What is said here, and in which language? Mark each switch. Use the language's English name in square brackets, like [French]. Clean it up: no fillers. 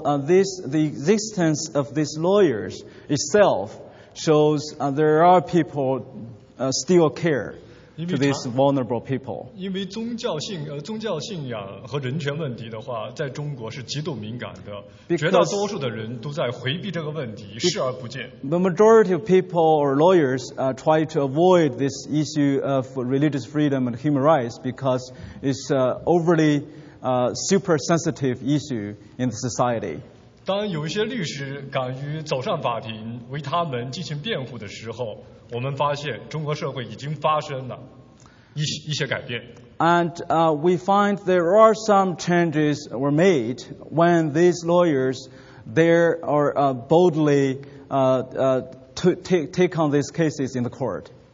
[English] the existence of these lawyers itself shows there are people still care to these vulnerable people. [Chinese] 因为宗教信仰和人权问题的话，在中国是极度敏感的，绝大多数的人都在回避这个问题，视而不见。 [English] The majority of people or lawyers try to avoid this issue of religious freedom and human rights because it's an overly super sensitive issue in the society. [Chinese] 当有些律师敢于走上法庭为他们进行辩护的时候， 我们发现中国社会已经发生了一些改变。 [English] And we find there are some changes were made when these lawyers there are boldly take on these cases in the court.